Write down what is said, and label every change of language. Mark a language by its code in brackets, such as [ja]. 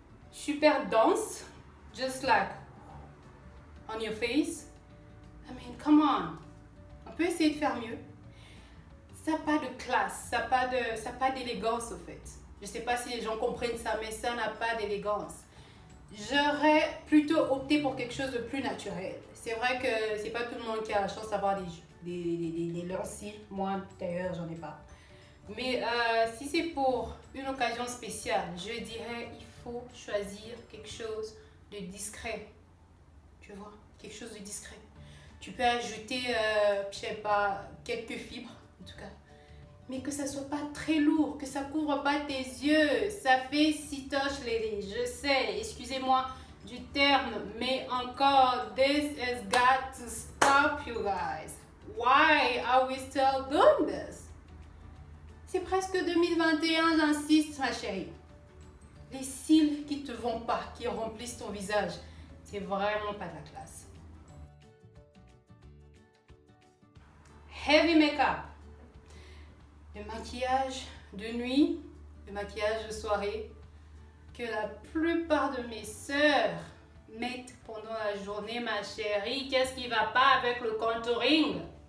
[en] Super dense, just like on your face. I mean, come on. [fr] On peut essayer de faire mieux. Ça n'a pas de classe, ça n'a pas d'élégance au fait. Je ne sais pas si les gens comprennent ça, mais ça n'a pas d'élégance. J'aurais plutôt opté pour quelque chose de plus naturel. C'est vrai que ce n'est pas tout le monde qui a la chance d'avoir des longs cils. Moi, d'ailleurs, j'en ai pas. Mais si c'est pour une occasion spéciale, je dirais il faut choisir quelque chose de discret. Tu vois, quelque chose de discret. Tu peux ajouter, je sais pas, quelques fibres en tout cas. Mais que ça soit pas très lourd, que ça couvre pas tes yeux. Ça fait sitoche, Lily. Je sais, excusez-moi du terme, mais encore, [en] this has got to stop you guys. Why are we still doing this? [fr] C'est presque 2021, j'insiste, ma chérie. Les cils qui te vont pas, qui remplissent ton visage, c'est vraiment pas de la classe. [en] Heavy make-up. [fr] Le maquillage de nuit, le maquillage de soirée, que la plupart de mes sœurs mettent pendant la journée, ma chérie. Qu'est-ce qui va pas avec le contouring?